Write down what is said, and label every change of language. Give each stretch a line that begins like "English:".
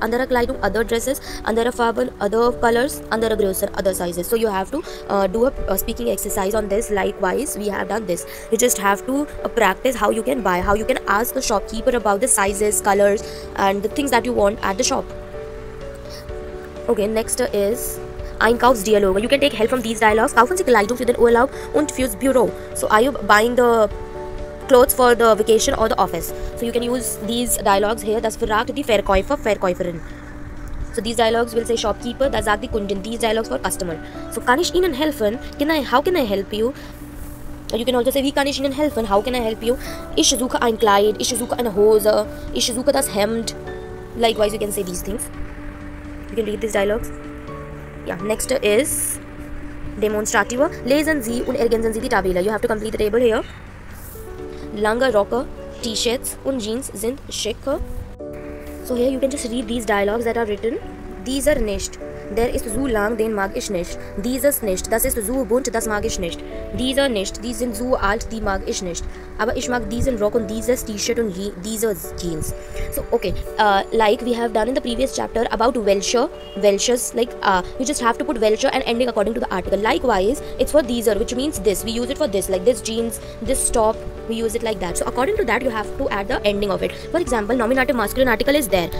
English: Under a Kleidung, other dresses. Under a Farben, other colors. Under a Größe, other sizes. So you have to do a speaking exercise on this. Likewise, we have done this. You just have to practice how you can buy, how you can ask the shopkeeper about the sizes, colors, and the things that you want at the shop. Okay, next is Einkaufsdialog. You can take help from these dialogues.
German: Kaufen Sie Kleidung für den Urlaub und fürs Büro.
English: So are you buying the clothes for the vacation or the office? So you can use these dialogues here.
German: Das fragt die Verkäufer, Verkäuferin.
English: So these dialogues will say shopkeeper,
German: das sagt die Kundin.
English: These dialogues for customer.
German: So kann ich Ihnen helfen?
English: How can I help you? You can also say,
German: wie kann ich Ihnen helfen?
English: How can I help you?
German: Ich suche ein Kleid. Ich suche eine Hose. Ich suche das Hemd.
English: Likewise, you can say these things. You can read these dialogues. Yeah, next is
German: demonstrativa. Lesen Sie und ergänzen Sie die Tabelle.
English: You have to complete the table here.
German: Lange Rocker, T-Shirts und Jeans sind schick.
English: So here you can just read these dialogues that are written.
German: Dieser nicht. Der ist so lang, den mag ich nicht. Dieses nicht. Das ist so bunt, das mag ich nicht. Dieser nicht. Die sind so alt, die mag ich nicht. Aber ich mag diesen Rock und dieses T-Shirt und diese Jeans.
English: So, okay. Like we have done in the previous chapter about Welcher. Welchers, like, you just have to put Welcher and ending according to the article. Likewise, it's for dieser, which means this. We use it for this, like this jeans, this top. We use it like that. So according to that, you have to add the ending of it. For example, nominative masculine article is there.